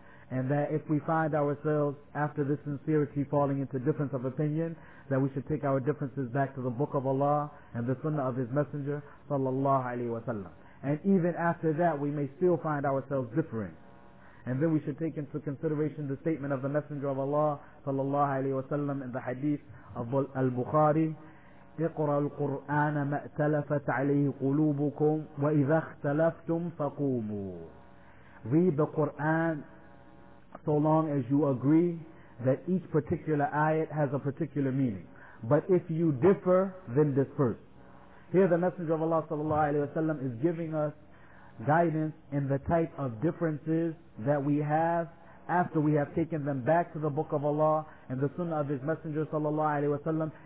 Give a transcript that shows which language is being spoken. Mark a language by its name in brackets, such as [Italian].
[English] And that if we find ourselves after this sincerity falling into difference of opinion, that we should take our differences back to the book of Allah and the sunnah of His Messenger sallallahu alayhi wa sallam. And even after that, we may still find ourselves differing. And then we should take into consideration the statement of the Messenger of Allah sallallahu alayhi wa sallam in the hadith of al-Bukhari, [Arabic] اقرأ القرآن ما ائتلفت عليه قلوبكم وإذا اختلفتم فقوموا. [English] Read the Quran so long as you agree that each particular ayat has a particular meaning. But if you differ, then disperse. Here the Messenger of Allah sallallahu alayhi wa sallam is giving us guidance in the type of differences that we have after we have taken them back to the Book of Allah and the Sunnah of His Messenger sallallahu alayhi wa sallam.